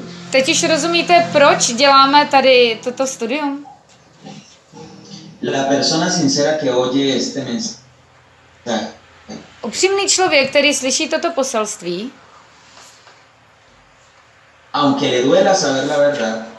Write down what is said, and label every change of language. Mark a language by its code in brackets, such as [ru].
[cs] Teď už rozumíte, proč děláme tady toto studium? [es] La persona sincera que oye este mensaje. [cs] Upřímný člověk, který slyší toto poselství, [es] aunque le duela saber la verdad,